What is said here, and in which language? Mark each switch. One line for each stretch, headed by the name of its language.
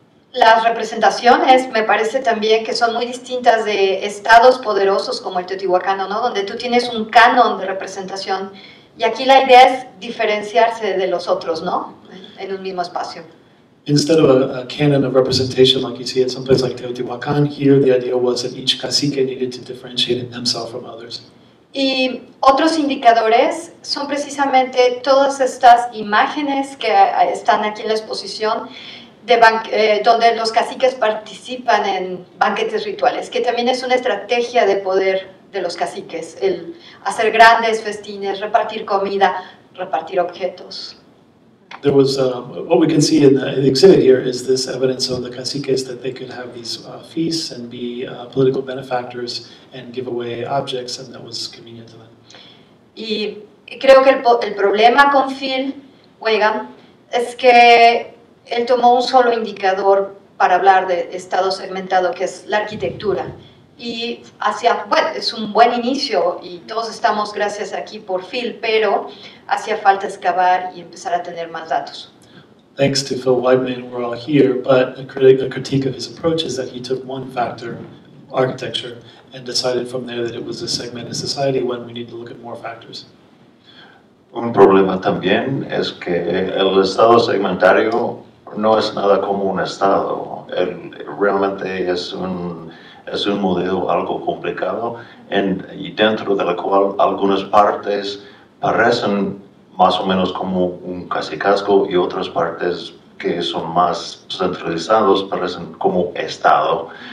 Spanish: Las representaciones me parece también que son muy distintas de estados poderosos como el Teotihuacano, ¿no? Donde tú tienes un canon de representación y aquí la idea es diferenciarse de los otros, ¿no? En un mismo espacio.
English: Instead of a canon of representation like you see at some place like Teotihuacan, here the idea was that each cacique needed to differentiate themselves from others.
Spanish: Y otros indicadores son precisamente todas estas imágenes que están aquí en la exposición de donde los caciques participan en banquetes rituales, que también es una estrategia de poder de los caciques, el hacer grandes festines, repartir comida, repartir objetos.
English: There was what we can see in the exhibit here is this evidence of the caciques that they could have these feasts and be political benefactors and give away objects, and that was convenient to them.
Spanish: Y creo que el problema con Phil Wagan es que él tomó un solo indicador para hablar de estado segmentado, que es la arquitectura, y hacia bueno, es un buen inicio y todos estamos gracias aquí por Phil, pero hacía falta excavar y empezar a tener más datos.
English: Thanks to Phil Wagan, we're all here, but a critique of his approach is that he took one factor, architecture, and decided from there that it was a segmented society when we need to look at more factors.
Spanish: Un problema también es que el estado segmentario no es nada como un estado. El realmente es un modelo algo complicado y dentro del cual algunas partes parecen más o menos como un cacicazgo y otras partes que son más centralizados parecen como estado.